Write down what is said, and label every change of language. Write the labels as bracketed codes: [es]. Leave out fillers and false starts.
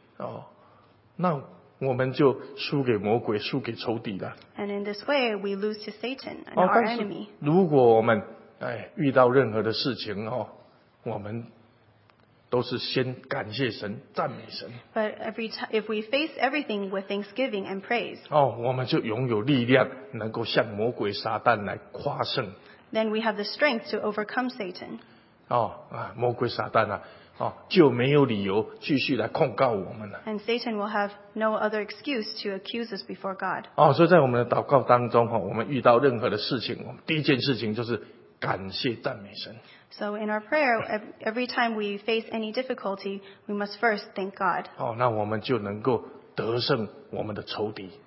[zh] 哦，那我们就输给魔鬼，输给仇敌了。 [en] And in this way, we lose to Satan and our enemy. [zh] 如果我们哎遇到任何的事情哦，我们都是先感谢神，赞美神。 [en] But every time, if we face everything with thanksgiving and praise, [zh] 哦，我们就拥有力量，能够向魔鬼撒旦来夸胜。 [en] Then we have the strength to overcome Satan. [zh] 哦啊，魔鬼撒旦啊。哦，就没有理由继续来控告我们了。 [en] And Satan will have no other excuse to accuse us before God. [zh] 哦，所以在我们的祷告当中，哦，我们遇到任何的事情，我们第一件事情就是感谢赞美神。 [en] So in our prayer, every time we face any difficulty, we must first thank God. [zh] 哦，那我们就能够得胜我们的仇敌。